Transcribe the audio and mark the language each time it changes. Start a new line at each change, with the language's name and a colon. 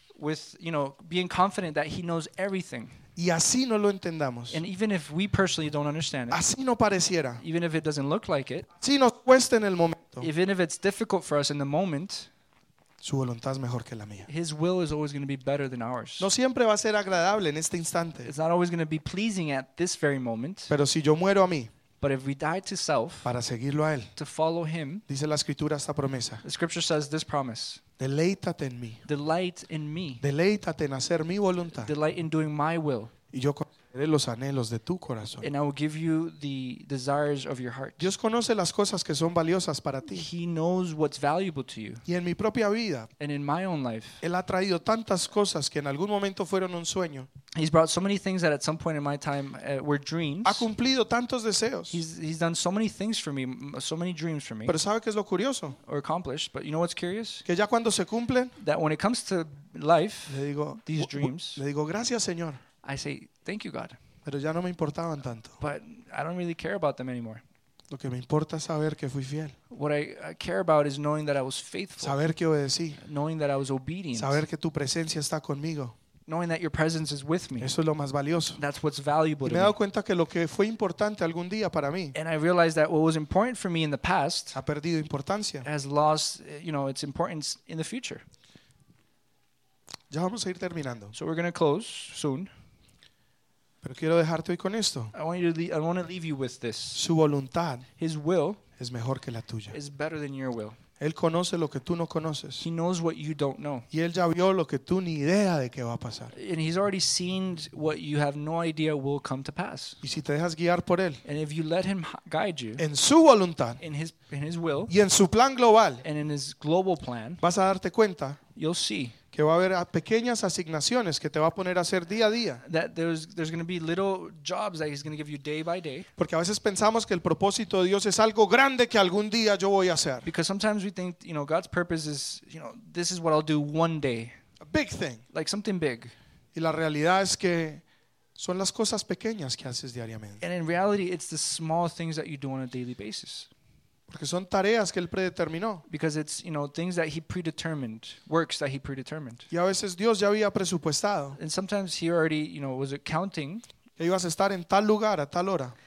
English: With, you know, being confident that he knows everything.
Spanish: Y así no lo entendamos.
English: And even if we personally don't understand it.
Spanish: Así no pareciera.
English: Even if it doesn't look like it.
Spanish: Si nos cuesta en el momento.
English: Even if it's difficult for us in the moment.
Spanish: Su voluntad es mejor que la mía.
English: His will is always going to be better than ours.
Spanish: No siempre va a ser agradable en este instante.
English: It's not always going to be pleasing at this very moment.
Spanish: Pero si yo muero a mí.
English: But if we die to self.
Spanish: Para seguirlo a él.
English: To follow him.
Spanish: Dice la escritura esta promesa.
English: The scripture says this promise.
Spanish: Deleítate en mí.
English: Delight in me.
Spanish: Deleítate en hacer mi voluntad.
English: Delight in doing my will.
Spanish: Y yo concederé los anhelos de tu corazón.
English: And I will give you the desires of your heart.
Spanish: Dios conoce las cosas que son valiosas para ti.
English: He knows what's valuable to you.
Spanish: Y en mi propia vida.
English: And in my own life.
Spanish: Él ha traído tantas cosas que en algún momento fueron un sueño.
English: He's brought so many things that at some point in my time were dreams.
Spanish: Ha cumplido tantos deseos.
English: He's done so many things for me, so many dreams for me.
Spanish: Pero ¿sabe qué es lo curioso?
English: Or accomplished, but you know what's curious?
Spanish: Que ya cuando se cumplen,
English: that when it comes to life,
Spanish: le digo,
English: these dreams,
Spanish: le digo, gracias, Señor.
English: I say, thank you, God.
Spanish: Pero ya no me importaban tanto.
English: But I don't really care about them anymore.
Spanish: Lo que me importa es saber que fui fiel.
English: What I care about is knowing that I was faithful.
Spanish: Saber que obedecí.
English: Knowing that I was obedient.
Spanish: Saber que tu presencia está conmigo.
English: Knowing that your presence is with me.
Spanish: Eso es lo más valioso.
English: That's what's valuable to me.
Spanish: Me he dado cuenta que lo que fue importante algún día para mí.
English: And I realized that what was important for me in the past.
Spanish: Ha perdido importancia.
English: Has lost, you know, its importance in the future.
Spanish: Ya vamos a ir terminando.
English: So we're going to close soon.
Spanish: Pero quiero dejarte hoy con esto.
English: I want to leave you with this.
Spanish: Su voluntad.
English: His will.
Spanish: Es mejor que la tuya.
English: Is better than your will.
Spanish: Él conoce lo que tú no conoces.
English: He knows what you don't know.
Spanish: Y él ya vio lo que tú ni idea de qué va a pasar.
English: And he's already seen what you have no idea will come to pass.
Spanish: Y si te dejas guiar por él.
English: And if you let him guide you.
Spanish: En su voluntad.
English: In his will.
Spanish: Y en su plan global.
English: And in his global plan.
Spanish: Vas a darte cuenta.
English: You'll see.
Spanish: Que va a haber pequeñas asignaciones que te va a poner a hacer día a día.
English: That there's going to be little jobs that he's going to give you day by day.
Spanish: Porque a veces pensamos que el propósito de Dios es algo grande que algún día yo voy a hacer.
English: Because sometimes we think, you know, God's purpose is, you know, this is what I'll do one day. A big thing. Like something big.
Spanish: Y la realidad es que son las cosas pequeñas que haces diariamente.
English: And in reality, it's the small things that you do on a daily basis.
Spanish: Porque son tareas que él predeterminó.
English: Because it's, you know, things that he predetermined, works that he predetermined.
Spanish: Y a veces Dios ya había presupuestado.
English: And sometimes he already, you know, was accounting.
Spanish: Que ibas a estar en tal lugar a tal hora.